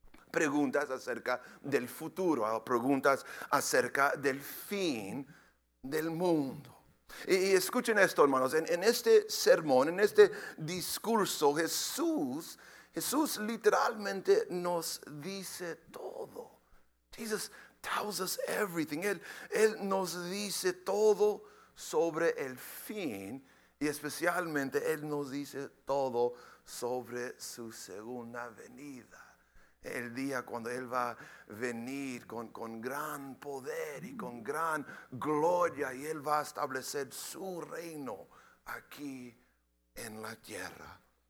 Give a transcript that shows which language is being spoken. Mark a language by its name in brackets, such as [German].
[Spanish] Preguntas acerca del futuro, preguntas acerca del fin del mundo. Y escuchen esto, hermanos, en este sermón, en este discurso, Jesús literalmente nos dice todo. [English] Jesus tells us everything. [Spanish] Él nos dice todo sobre el fin, y especialmente Él nos dice todo sobre su segunda venida. El día cuando Él va a venir con gran poder y con gran gloria, y Él va a establecer su reino aquí en la tierra.